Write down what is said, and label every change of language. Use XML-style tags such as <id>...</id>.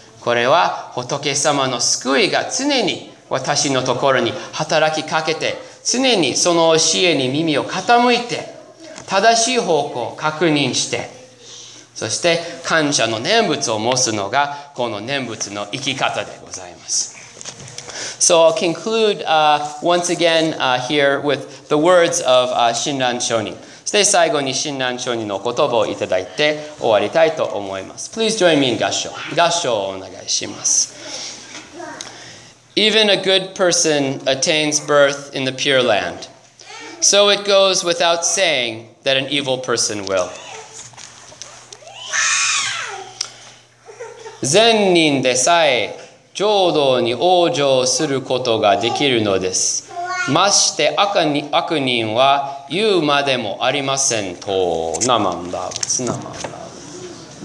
<ja>これは仏様の救いが常に私のところに働きかけて、常にその教えに耳を傾いて、正しい方向を確認して、そして感謝の念仏を持つのが、この念仏の生き方でございます。</ja> <en>So I'll conclude once again here with the words of Shinran Shonin.</en> <ja>で、最後に親鸞聖人の言葉をいただいて終わりたいと思います。</ja> <en>Please join me in 合唱。</en> <ja>合唱をお願いします。</ja> <en>Even a good person attains birth in the Pure Land. So it goes without saying that an evil person will.</en> <ja>善人でさえ浄土に往生することができるのです。まして悪人は言うまでもありませんと。ナマンダブツ、ナマンダブツ。</ja>